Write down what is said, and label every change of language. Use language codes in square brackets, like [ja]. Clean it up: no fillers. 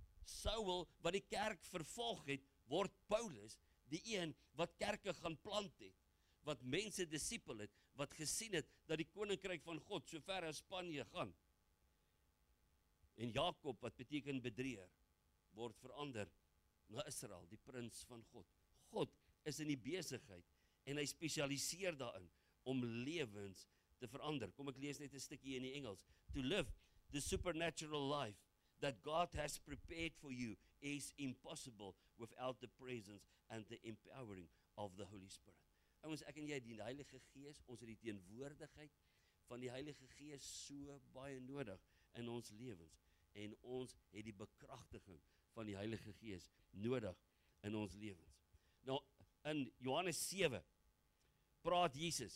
[af] Saul, wat die kerk vervolg het, word Paulus, die een wat kerke gaan plant het, wat mense disipel het, wat gesien het, dat die koninkryk van God so ver as Spanje gaan. En Jakob, wat beteken bedrieër, word verander na Israel, die prins van God. God is in die besigheid, en hy spesialiseer daarin, om lewens te verander. Kom, ek lees net 'n stukkie in die Engels. [en] To live the supernatural life that God has prepared for you is impossible without the presence and the empowering of the Holy Spirit. [af] En ons, ek en jy, die Heilige Gees, ons het die teenwoordigheid van die Heilige Gees so baie nodig in ons lewens, en ons het die bekragtiging van die Heilige Gees nodig in ons lewens. Nou, in Johannes 7, praat Jesus.